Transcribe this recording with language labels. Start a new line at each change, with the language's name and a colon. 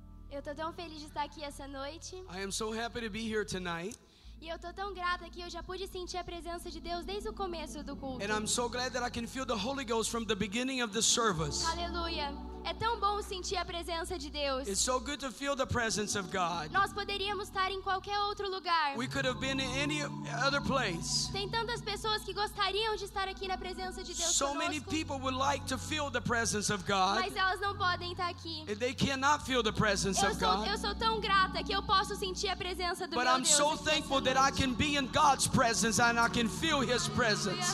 Portuguese: Eu tô tão feliz de estar aqui essa noite.
English: I am so happy to be here tonight.
Portuguese: E eu tô tão grata que eu já pude sentir a presença de Deus desde o começo do culto.
English: And I'm so glad that I can feel the Holy Ghost from the beginning of the service.
Portuguese: Aleluia. É tão bom sentir a presença de Deus.
English: It's so good to feel the presence of God.
Portuguese: Nós poderíamos estar em qualquer outro lugar.
English: We could have been in any other place.
Portuguese: Tem tantas pessoas que gostariam de estar aqui na presença de Deus conosco.
English: So many people would like to feel the presence of God.
Portuguese: Mas elas não podem estar aqui.
English: They cannot feel the presence of God.
Portuguese: Eu sou tão grata que eu posso sentir a presença do meu Deus.
English: But I'm so thankful that I can be in God's presence and I can feel his presence.